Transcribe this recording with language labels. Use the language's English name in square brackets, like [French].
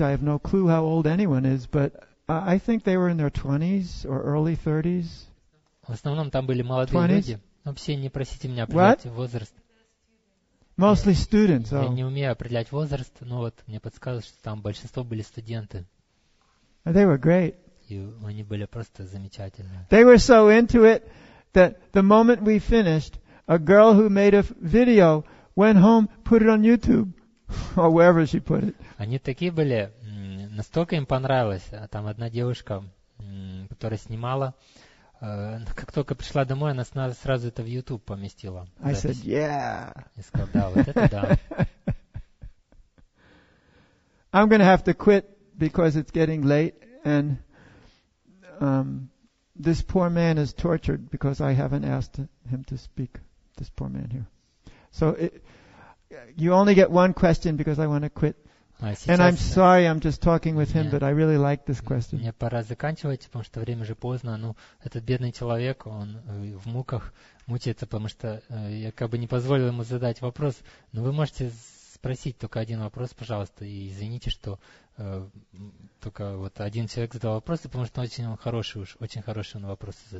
[English] I have no clue how old anyone is, but I think they were in their 20s or early 30s. [Russian] В основном там были молодые 20s? Люди. Вообще не просите меня определять [English] What? [Russian] Возраст. [English] Mostly students. [Russian] Я не умею определять возраст, но вот мне подсказывают, что там большинство были студенты. [English] And they were great. [Russian] И они были просто замечательные. [English] They were so into it that the moment we finished, a girl who made a video went home, put it on YouTube, or wherever she put it. [Russian] Они такие были, настолько им понравилось, а там одна девушка, которая снимала, как только пришла домой, она сразу это в YouTube поместила. [English] I said, yeah. [Russian] И сказал, да, вот это да. [English] I'm going to have to quit because it's getting late, and this poor man is tortured because I haven't asked him to speak. This poor man here. So you only get one question because I want to quit. And I'm sorry, I'm just talking with him, but I really like this question. [Russian] Мне пора заканчивать, потому что время же поздно. Ну, этот бедный человек, он в муках мучается, потому что я как бы не позволил ему задать вопрос. Но вы можете спросить только один вопрос, пожалуйста, и извините, что только вот один человек задал вопросы, потому что он очень хороший, очень хороший он вопросы задал.